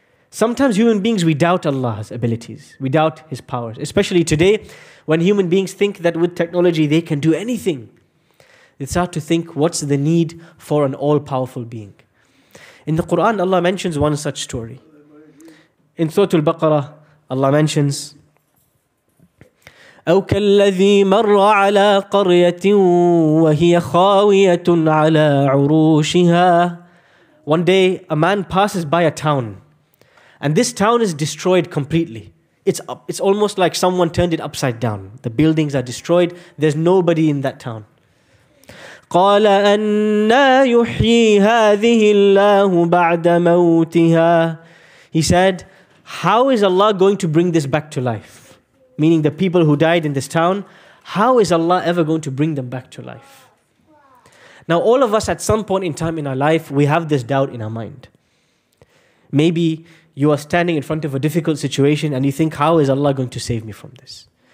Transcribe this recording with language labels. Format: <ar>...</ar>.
<en>Sometimes human beings, we doubt Allah's abilities. We doubt His powers. Especially today, when human beings think that with technology they can do anything. They start to think, what's the need for an all-powerful being? In the Quran, Allah mentions one such story. In Surah Al-Baqarah, Allah mentions,</en> <ar>أو كالذي مر على قرية وهي خاوية على عروشها.</ar> <en>One day a man passes by a town and this town is destroyed completely. It's almost like someone turned it upside down. The buildings are destroyed. There's nobody in that town.</en> <ar>قال أنى يحيي هذه الله بعد موتها.</ar> <en>He said, how is Allah going to bring this back to life? Meaning the people who died in this town, how is Allah ever going to bring them back to life? Now all of us at some point in time in our life, we have this doubt in our mind. Maybe you are standing in front of a difficult situation and you think, how is Allah going to save me from this?</en>